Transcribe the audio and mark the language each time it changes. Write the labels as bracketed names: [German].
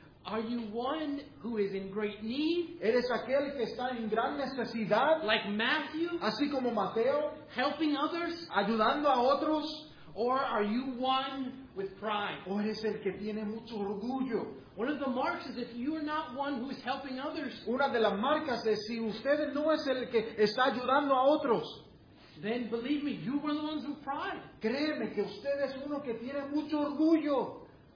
[English] Are you one who is in great need? [Spanish] Eres aquel que está en gran necesidad. [English] Like Matthew. [Spanish] Así como Mateo. [English] Helping others. [Spanish] Ayudando a otros. [English] Or are you one with pride? [Spanish] O eres el que tiene mucho orgullo. [English] One of the marks is if you are not one who is helping others. [Spanish] Una de las marcas es si usted no es el que está ayudando a otros. [English] Then believe me, you are the ones with pride. [Spanish] Créeme que usted es uno que tiene mucho orgullo.